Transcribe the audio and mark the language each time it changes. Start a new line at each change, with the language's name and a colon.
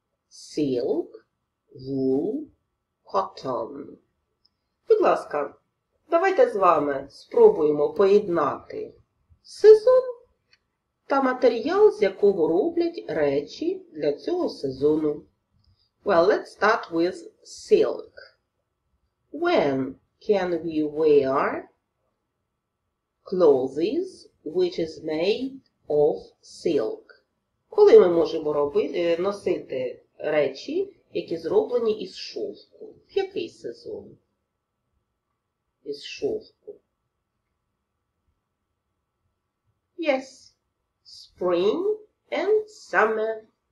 English: Silk, wool, cotton.
Ukrainian: Будь ласка, давайте з вами спробуємо поєднати сезон та матеріал, з якого роблять речі для цього сезону.
English: Well, let's start with silk. When can we wear clothes which is made of silk?
Ukrainian: Коли ми можемо носити речі, які зроблені із шовку? В який сезон? Із шовку.
English: Yes, spring and summer.